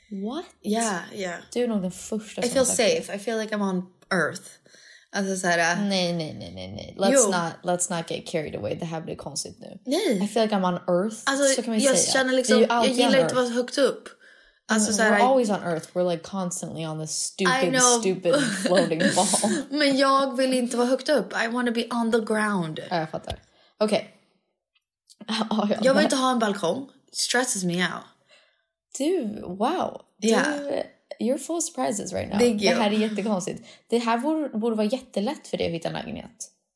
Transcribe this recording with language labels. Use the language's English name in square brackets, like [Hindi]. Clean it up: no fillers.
[English] What? Yeah, yeah. [Swedish] Du är nog den första som... [English] I feel safe. [Swedish] Där. [English] I feel like I'm on earth. [Swedish] Alltså så här, [English] Nej. Let's not get carried away. [Swedish] Det här blir konstigt nu. Nej. [English] I feel like I'm on earth. [Swedish] Alltså, så kan man jag säga. Känner liksom, jag gillar inte att vara högt upp. Alltså, [English] we're [Swedish] så här, [English] always on earth. We're like constantly on this stupid floating ball. [Swedish] Men jag vill inte vara högt upp. [English] I want to be on the ground. [Swedish] Ja, jag fattar. Okej. [English] Okay. [Swedish] Jag vill inte ha en balkong. [English] It stresses me out. [Swedish] Du, wow. [English] Yeah. You're full of surprises right now. Thank you. [Swedish] Det här är jättekonstigt. Det här borde vara jättelätt för dig att hitta en lägenhet.